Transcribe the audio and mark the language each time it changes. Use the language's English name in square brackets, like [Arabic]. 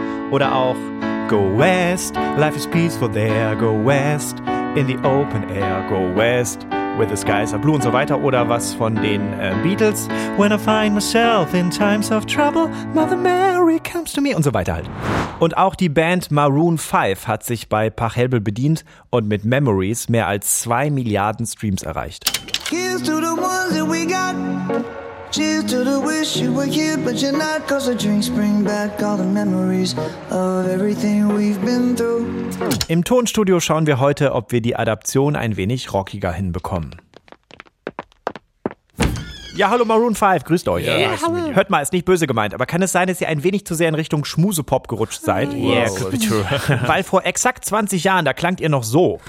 [English] Oder auch: Go west, life is peaceful there, go west, in the open air, go west, where the skies are blue und so weiter. Oder was von den Beatles: When I find myself in times of trouble, Mother Mary comes to me und so weiter halt. [German] Und auch die Band Maroon 5 hat sich bei Pachelbel bedient und mit Memories mehr als 2 Milliarden Streams erreicht. [English] Here's to the ones that we got. Cheers to the wish you were here, but you're not, cause the drinks bring back all the memories of everything we've been through. [German] Im Tonstudio schauen wir heute, ob wir die Adaption ein wenig rockiger hinbekommen. Ja, hallo Maroon 5, grüßt euch. [English] Yeah, hallo. [German] Hört mal, ist nicht böse gemeint, aber kann es sein, dass ihr ein wenig zu sehr in Richtung Schmusepop gerutscht seid? [English] Wow. Yeah, could be true. [German] Weil vor exakt 20 Jahren, da klangt ihr noch so.